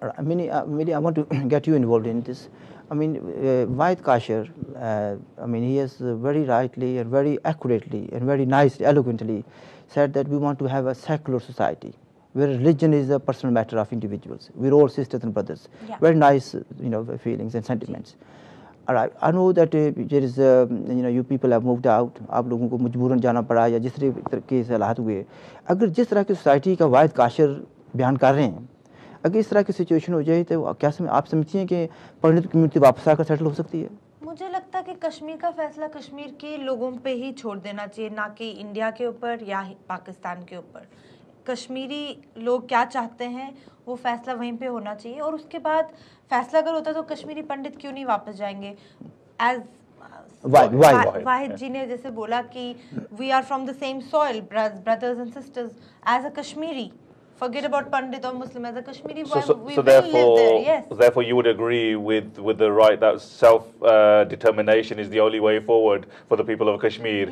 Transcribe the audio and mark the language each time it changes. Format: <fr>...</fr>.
<en>I want to get you involved in this. Vahid Kashyar, he has very rightly and very accurately and very nicely, eloquently, said that we want to have a secular society where religion is a personal matter of individuals. We're all sisters and brothers. Yeah. Very nice, feelings and sentiments. All right. I know that there is, you people have moved out.</en> <hi>आप लोगों को मजबूरन जाना पड़ा या जिस तरीके से हालात हुए. अगर जिस तरह की सोसाइटी का वाहिद काशर बयान कर रहे हैं, अगर इस तरह की सिचुएशन हो जाए तो क्या आप समझती हैं कि पंडित कम्युनिटी वापस आकर सेटल हो सकती है? मुझे लगता है कि कश्मीर का फैसला कश्मीर के लोगों पे ही छोड़ देना चाहिए, ना कि इंडिया के ऊपर या पाकिस्तान के ऊपर. कश्मीरी लोग क्या चाहते हैं वो फैसला वहीं पे होना चाहिए, और उसके बाद फैसला अगर होता तो कश्मीरी पंडित क्यों नहीं वापस जाएंगे.</hi> <en>as</en> <hi>वाहिद जी ने जैसे बोला कि</hi> <en>We are from the same soil, brothers and sisters, as a Kashmiri. Forget about Pandit or Muslim, as a Kashmiri boy, so therefore, therefore you would agree with the right that self-determination is the only way forward for the people of Kashmir.</en>